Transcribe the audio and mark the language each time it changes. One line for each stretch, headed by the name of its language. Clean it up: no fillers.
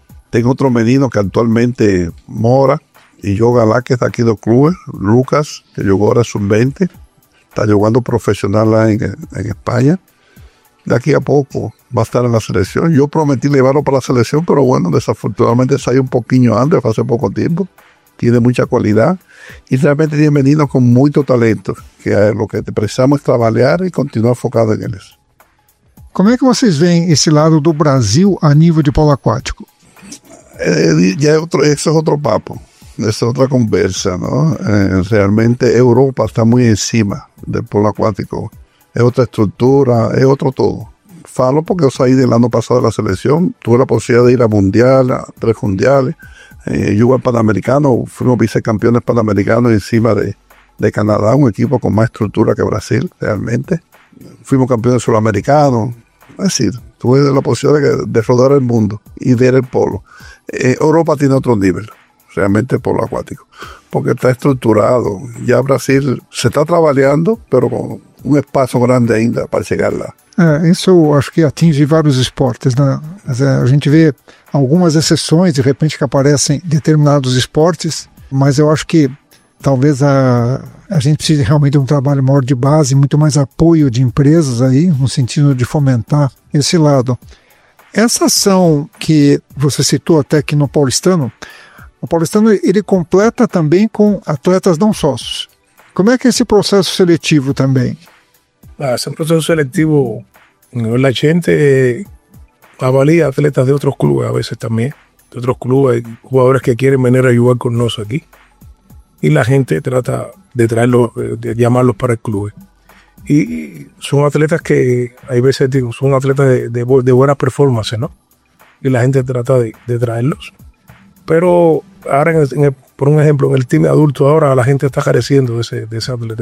Portuguese: Tem outro menino que atualmente mora e joga lá, que está aqui do clube, Lucas, que jogou agora sub-20, está jogando profissional lá em Espanha. Daqui a pouco vai estar na seleção. Eu prometi levá-lo para a seleção, mas, bueno, desafortunadamente saiu um pouquinho antes, faz pouco tempo.
Spanish: Tiene mucha cualidad y realmente tiene meninos con mucho talento, que lo que precisamos es trabajar y continuar focado en ellos. ¿Cómo es que ustedes ven ese lado del Brasil a nivel de polo acuático? Eso es otro papo, es otra conversa, ¿no? Realmente Europa está muy encima del polo acuático, es otra estructura, es otro todo. Falo porque yo salí del año pasado de la selección, tuve la posibilidad de ir a Mundial, a 3 Mundiales, jugué al Panamericano, fuimos vicecampeones Panamericanos encima de Canadá, un equipo con más estructura que Brasil, realmente. Fuimos campeones sudamericanos, es decir, tuve la posibilidad de rodar el mundo y ver el polo. Europa tiene otro nivel, realmente el polo acuático, porque está estructurado. Ya Brasil se está trabajando, pero con un espacio grande ainda para llegar lá.
Portuguese: Isso eu acho que atinge vários esportes, né? Mas a gente vê algumas exceções, de repente, que aparecem determinados esportes, mas eu acho que talvez a gente precise realmente de um trabalho maior de base, muito mais apoio de empresas aí, no sentido de fomentar esse lado. Essa ação que você citou até aqui no Paulistano, o Paulistano ele completa também com atletas não sócios. Como é que é esse processo seletivo também? É um processo seletivo, a gente avalia atletas de outros clubes, a vezes também, de outros clubes, jogadores que querem venir a jogar conosco aqui.
Spanish: Y la gente trata de traerlos, de llamarlos para el club. Y son atletas que, hay veces digo, son atletas de buena performance, ¿no? Y la gente trata de traerlos. Pero ahora, por un ejemplo, en el team adulto, ahora la gente está careciendo de ese atleta.